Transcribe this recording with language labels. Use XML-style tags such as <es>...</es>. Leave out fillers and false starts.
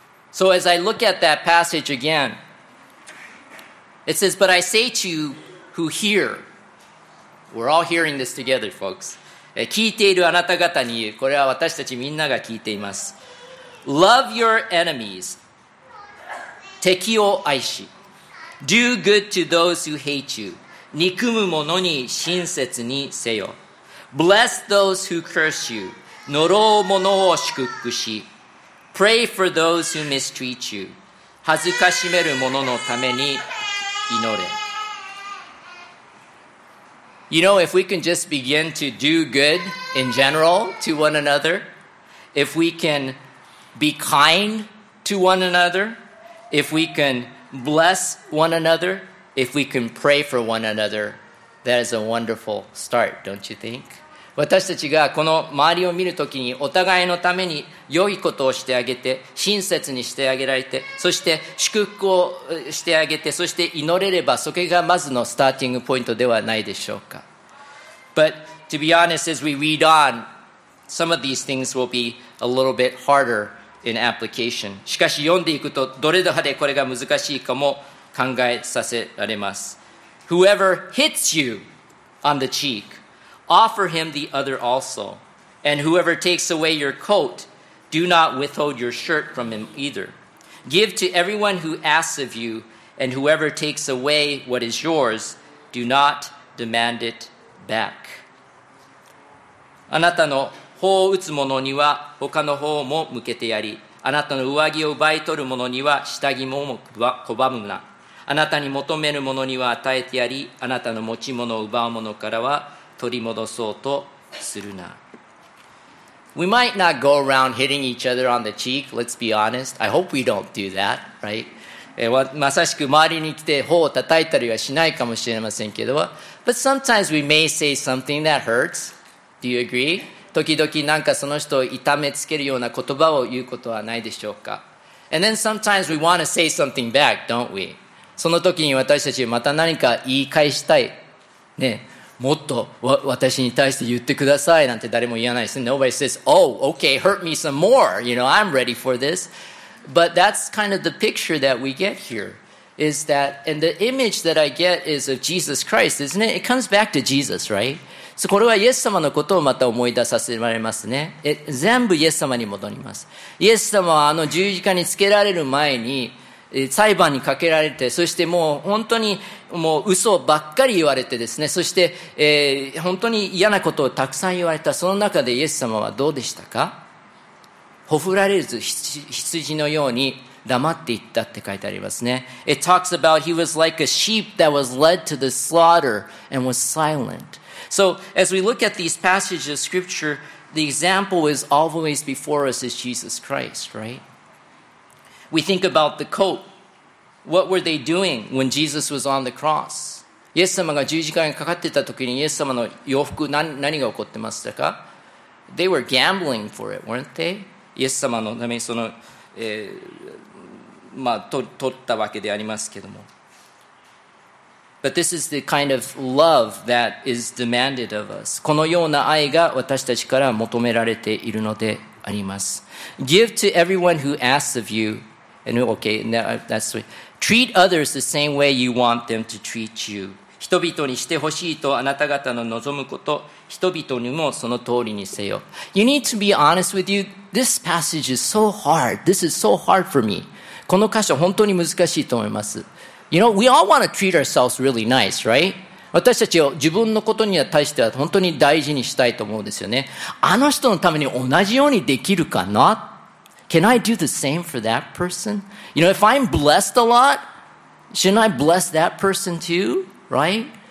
<en>So as I look at that passage again, it says, But I say to you who hear, we're all hearing this together, folks.</en> <ja>聞いているあなた方に言う、これは私たちみんなが聞いています。</ja> <en>Love your enemies,</en> <ja>敵を愛し、</ja> <en>Do good to those who hate you.</en> <ja>憎む者に親切にせよ。</ja> <en>Bless those who curse you.</en> <ja>呪う者を祝福し。</ja> <en>Pray for those who mistreat you.</en> <ja>恥ずかしめる者のために祈れ。</ja> <en>You know, if we can just begin to do good in general to one another, if we can be kind to one another, if we can bless one another,If we can pray for one another, that is a wonderful start, don't you think?</en> <ja>私たちがこの周りを見るときにお互いのために良いことをしてあげて親切にしてあげられてそして祝福をしてあげてそして祈れればそれがまずのスターティングポイントではないでしょうか。</ja> <en>But to be honest, as we read on, some of these things will be a little bit harder in application.</en> <ja>しかし読んでいくとどれだけこれが難しいかも考えさせられます。</ja> <en>Whoever hits you on the cheekOffer him the other also. And whoever takes away your coat, do not withhold your shirt from him either. Give to everyone who asks of you, and whoever takes away what is yours, do not demand it back.</en> <ja>あなたの頬を打つ者には他の頬も向けてやり、あなたの上着を奪い取る者には下着も拒むな。あなたに求める者には与えてやり、あなたの持ち物を奪う者からは取り戻そうとするな。</ja> <en>We might not go around hitting each other on the cheek, let's be honest. I hope we don't do that, right?</en> <ja>まさしく周りに来て頬を叩いたりはしないかもしれませんけど、</ja> <en>But sometimes we may say something that hurts. Do you agree?</en> <ja>時々なんかその人を痛めつけるような言葉を言うことはないでしょうか。</ja> <en>And then sometimes we want to say something back, don't we?</en> <ja>その時に私たちまた何か言い返したいね。もっと私に対して言ってくださいなんて誰も言わないです。</ja> <en>Nobody says, oh, okay, hurt me some more. You know, I'm ready for this. But that's kind of the picture that we get here. Is that, and the image that I get is of Jesus Christ, isn't it? It comes back to Jesus, right?</en> <ja>So, これはイエス様のことをまた思い出させられますね。全部イエス様に戻ります。イエス様はあの十字架につけられる前に裁判にかけられて、そしてもう本当にもう嘘ばっかり言われてですね、そして、本当に嫌なことをたくさん言われた。その中でイエス様はどうでしたか？ほふられず羊のように黙っていったって書いてありますね。</ja> <en>It talks about he was like a sheep that was led to the slaughter and was silent. So as we look at these passages of scripture, the example is always before us is Jesus Christ, right? We think about the coat. What were they doing when Jesus was on the cross?</en> <ja>イエス様が十字架にかかってた時にイエス様の洋服 何が起こってましたか?</ja> <en>They were gambling for it, weren't they?</en> <ja>イエス様のためにその、取ったわけでありますけども。</ja> <en>But this is the kind of love that is demanded of us.</en> <ja>このような愛が私たちから求められているのであります。</ja> <en>Give to everyone who asks of you. And okay, that's sweet. Treat others the same way you want them to treat you.</en> <ja>人々にしてほしいとあなた方の望むこと、人々にもその通りにせよ。</ja> <en>You need to be honest with you. This passage is so hard. This is so hard for me.</en> <ja>この箇所本当に難しいと思います。</ja> <en>You know, we all want to treat ourselves really nice, right?</en> <ja>私たちを自分のことには対しては本当に大事にしたいと思うんですよね。あの人のために同じようにできるかな?</ja> <en>Can I do the same for that person? You know, if I'm blessed a lot, shouldn't I bless that person too? Right?</en>